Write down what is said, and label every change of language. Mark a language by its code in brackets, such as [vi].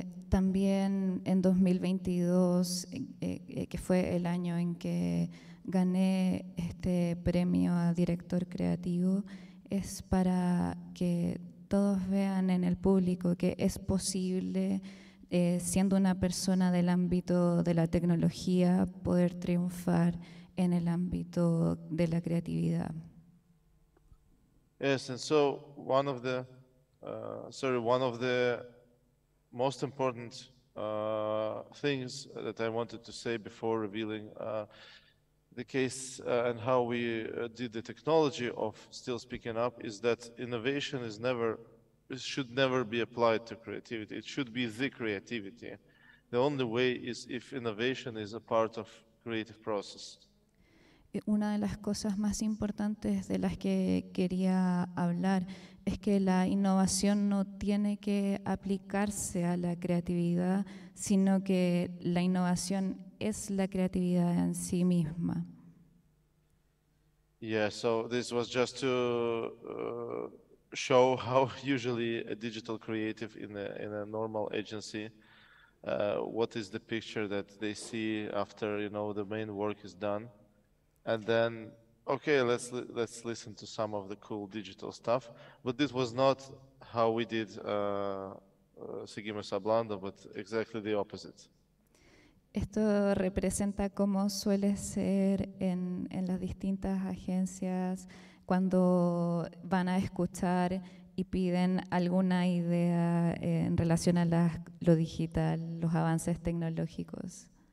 [es] También en 2022, que fue el año en que gané este premio a director creativo, es para que todos vean en el público que es posible, siendo una persona del ámbito de la tecnología, poder triunfar en el ámbito de la creatividad. [en] Yes, and so one of the most important things that I wanted to say before revealing the case and how we did the technology of Still Speaking Up is that innovation is never, it should never be applied to creativity. It should be the creativity. The only way is if innovation is a part of creative process. [es] Una de las cosas más importantes de las que quería hablar es que la innovación no tiene que aplicarse a la creatividad, sino que la innovación es la creatividad en sí misma. [en] Yeah, so this was just to show how usually a digital creative in a normal agency, what is the picture that they see after, you know, the main work is done. And then, okay, let's listen to some of the cool digital stuff. But this was not how we did Seguimos Hablando, but exactly the opposite. [es] Esto representa cómo suele ser en las distintas agencias cuando van a escuchar y piden alguna idea en relación a lo digital, los avances tecnológicos.